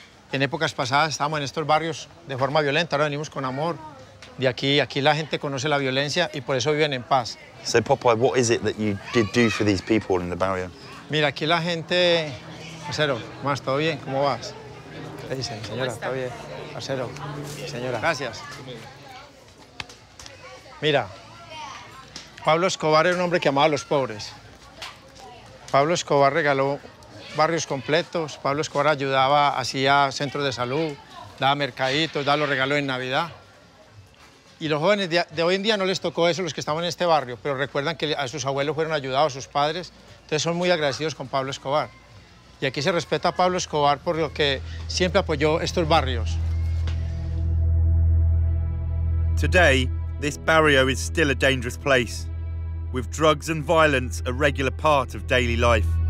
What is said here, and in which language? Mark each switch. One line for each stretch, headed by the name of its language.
Spanish: En épocas pasadas estábamos en estos barrios de forma violenta. Ahora venimos con amor. De aquí la gente conoce la violencia y por eso viven en paz.
English: So Popeye, what is it that you did do for these people in the barrio?
Spanish: Mira, aquí la gente. Marcelo, más todo bien, ¿cómo vas? ¿Qué dicen, señora? ¿Todo bien? Marcelo, señora. Gracias. Mira, Pablo Escobar era un hombre que amaba a los pobres. Pablo Escobar regaló barrios completos. Pablo Escobar ayudaba, hacía centros de salud, daba mercaditos, daba los regalos en Navidad. Y los jóvenes de hoy en día no les tocó eso, los que estaban en este barrio, pero recuerdan que a sus abuelos fueron ayudados, a sus padres. Entonces son muy agradecidos con Pablo Escobar. Y aquí se respeta a Pablo Escobar por lo que siempre apoyó estos barrios.
English: Today, this barrio is still a dangerous place, with drugs and violence a regular part of daily life.